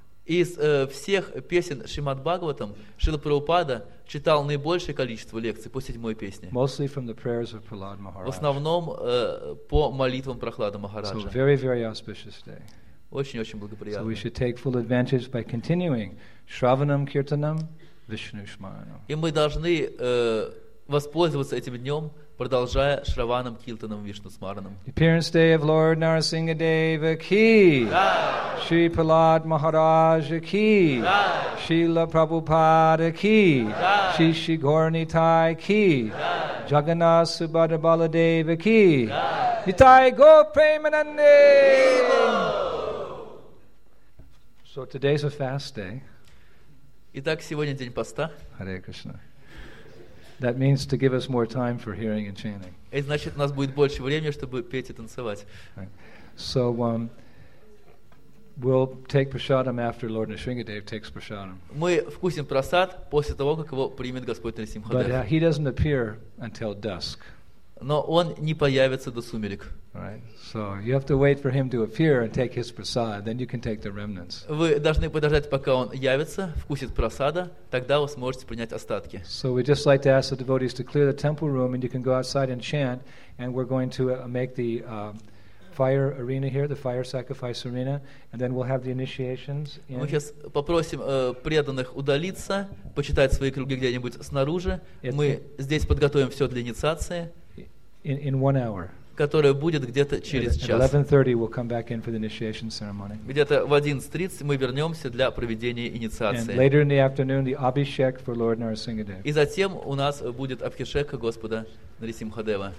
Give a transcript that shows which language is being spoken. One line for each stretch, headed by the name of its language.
Russian: Из всех песен Шримад Бхагаватам Шрила Прабхупада читал наибольшее количество лекций по седьмой песне.
English: Mostly from the prayers of Prahlad Maharaj.
Russian: В основном по молитвам Прахлада Махараджа.
English: So very, very auspicious day.
Russian: Очень-очень благоприятно.
English: So we should take full advantage by continuing Shravanam Kirtanam Vishnu Smaranam.
Russian: И мы должны воспользоваться этим днем, продолжая Шраванам Киртанам Вишну Смаранам.
English: Appearance day of Lord Narasingha Deva ki. Jai. Shri Prahlad Maharaj ki. Jai. Srila Prabhupada ki. Jai. Shri Shri Gauranitai ki. Jai. Jagannath Subhadra Bala Deva ki. Jai. Nitai Go Premanande. Evo. So today's a fast day.
Russian: Итак, сегодня день поста.
English: Hare Krishna. That means to give us more time for hearing and chanting.
Russian: Это значит, у нас будет больше времени, чтобы петь и танцевать.
English: So we'll take prasadam after Lord Narasingadev takes prasadam.
Russian: Мы вкусим прасад после того, как его примет Господь Нарасимха
English: Дев. But he doesn't appear until dusk.
Russian: Но он не появится до сумерек.
English: Right. So you have to wait for him to appear and take his prasad, then you can take the remnants.
Russian: Вы должны подождать, пока он явится, вкусит прасада, тогда вы сможете принять остатки.
English: So we just like to ask the devotees to clear the temple room, and you can go outside and chant. And we're going to make the fire arena here, the fire sacrifice arena, and then we'll have the initiations.
Russian: Мы сейчас попросим преданных удалиться, почитать свои круги где-нибудь снаружи. Мы здесь подготовим все для инициации.
English: In 1 hour.
Russian: Которая будет где-то через час.
English: We'll come back in for the initiation ceremony.
Russian: Где-то в 11:30 мы вернемся для проведения инициации.
English: And later in the afternoon, the Abhishek for Lord Narasingadev.
Russian: И затем у нас будет Абхишека Господа Нарисимхадева.